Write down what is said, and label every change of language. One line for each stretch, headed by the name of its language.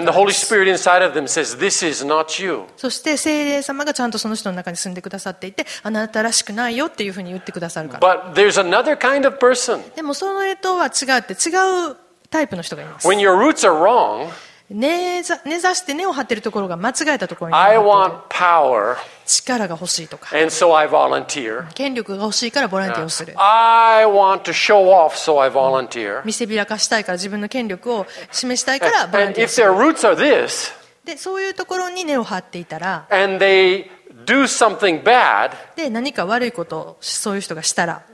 English: And the Holy Spirit inside of them says, "This is not you."
Japanese: そして聖霊様がちゃんとその人の中に住んでくださっていて、あなたらしくないよっていうふうに言ってくださるから。
English: But there's another kind of person.
Japanese: でもその人とは違って違うタイプの人がいます。
English: When your roots are wrong,
Japanese: 根ざして根を張っているところが間違えたところに。
English: I want power.
Japanese: 力が欲しいとか、
English: And so、I volunteer.
Japanese: 権力が欲しいからボランティアをする。
English: I want to show off, so、I volunteer.
Japanese: 見せびらかしたいから自分の権力を示したいからボランティアをする。
English: And if their roots are this,
Japanese: でそういうところに根を張っていたら、
English: And they do something bad,
Japanese: で何か悪いことをそういう人がしたら、